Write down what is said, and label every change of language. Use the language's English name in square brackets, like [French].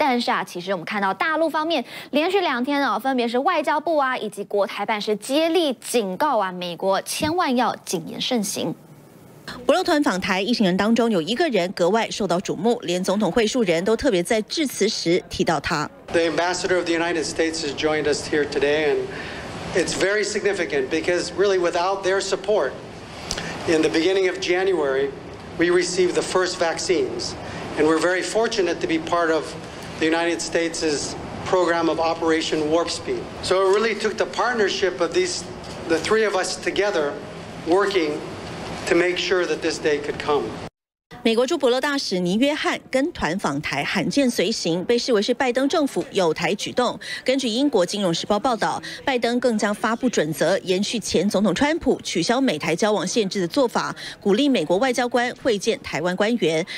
[Chinese] 但是啊，其实我们看到大陆方面连续两天分别是外交部啊以及国台办是接力警告啊，美国千万要谨言慎行。伯琉团访台一行人当中，有一个人格外受到瞩目，连总统会述人都特别在致辞时提到他。 [English] The ambassador of the United States has joined us here today, and it's very significant because really without their support. In the beginning of January, we received the first vaccines, and we're very fortunate to be part of the United States' program of Operation Warp Speed. So it really took the partnership of the three of us together working to make sure that this day could come. [Chinese] 美国驻伯琉大使倪约翰跟团访台罕见随行，被视为是拜登政府友台举动。根据英国金融时报报道，拜登更将发布准则，延续前总统川普取消美台交往限制的做法，鼓励美国外交官会见台湾官员。